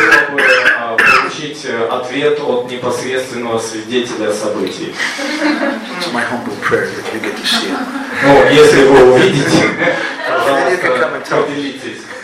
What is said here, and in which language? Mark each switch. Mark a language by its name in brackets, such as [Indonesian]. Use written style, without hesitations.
[Russian] Получить ответ от непосредственного свидетеля событий. [English] It's my humble prayer that you get to see it. [Russian] Ну, если вы увидите, пожалуйста, поделитесь.